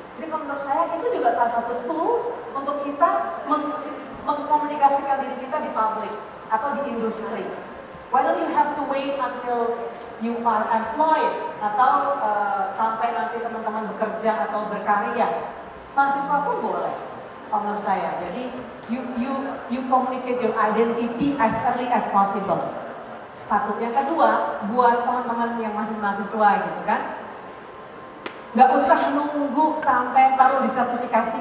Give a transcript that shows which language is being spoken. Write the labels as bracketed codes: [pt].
[id] Jadi menurut saya itu juga salah satu tools untuk kita mengkomunikasikan diri kita di publik atau di industri. [en] Why don't you have to wait until you are employed [id] atau sampai nanti teman-teman bekerja atau berkarya? Mahasiswa pun boleh, menurut saya. [en] Jadi you communicate your identity as early as possible. [id] Satu, yang kedua, buat teman-teman yang masih mahasiswa gitu kan, nggak usah nunggu sampai perlu disertifikasi.